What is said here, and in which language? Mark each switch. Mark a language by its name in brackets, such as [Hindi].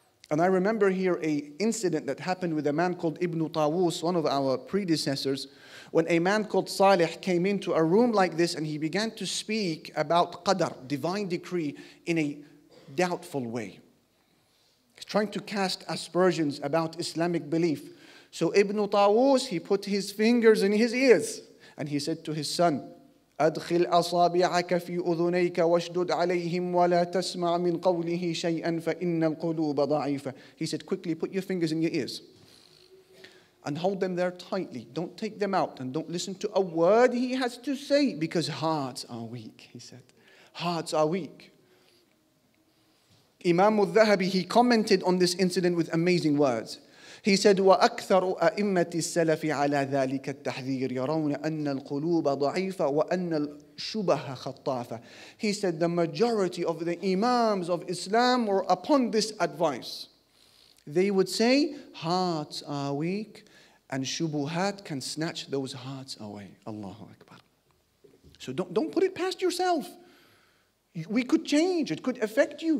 [English] And I remember here an incident that happened with a man called Ibn Tawus, one of our predecessors, when a man called Salih came into a room like this and he began to speak about Qadr, divine decree, in a doubtful way. He's trying to cast aspersions about Islamic belief. So Ibn Tawus, he put his fingers in his ears. And he said to his son, [Arabic] أدخل أصابعك في أذنيك واشدد عليهم ولا تسمع من قوله شيئا فإن القلوب ضعيفة. [English] He said, quickly put your fingers in your ears and hold them there tightly. Don't take them out and don't listen to a word he has to say because hearts are weak, he said. Hearts are weak. Imam al-Dhahabi, he commented on this incident with amazing words. He said, [Arabic] وأكثر أئمة السلف على ذلك التحذير يرون أن القلوب ضعيفة وأن الشبه خطافة. [English] He said, the majority of the Imams of Islam were upon this advice. They would say, hearts are weak and shubuhat can snatch those hearts away. Allahu Akbar. So don't put it past yourself. We could change. It could affect you.